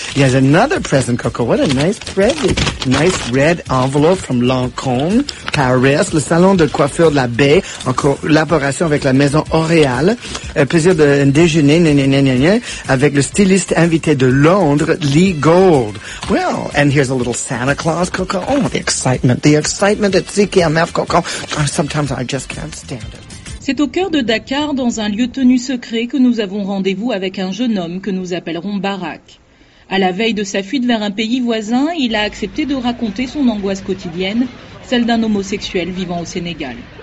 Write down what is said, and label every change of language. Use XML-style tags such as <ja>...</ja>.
<en>There's another present, Coco. What a nice present. Nice red envelope from Lancôme, Paris.</en> <fr>Le salon de coiffure de la baie, en collaboration avec la maison Oréal. Plaisir de déjeuner, avec le styliste invité de Londres, Lee Gold.</fr> <en>Well, and here's a little Santa Claus, Coco. Oh, the excitement. The excitement at CKMF, Coco. Sometimes I just can't stand it.</en> <fr>C'est au cœur de Dakar, dans un lieu tenu secret, que nous avons rendez-vous avec un jeune homme que nous appellerons Barak. À la veille de sa fuite vers un pays voisin, il a accepté de raconter son angoisse quotidienne, celle d'un homosexuel vivant au Sénégal.</fr>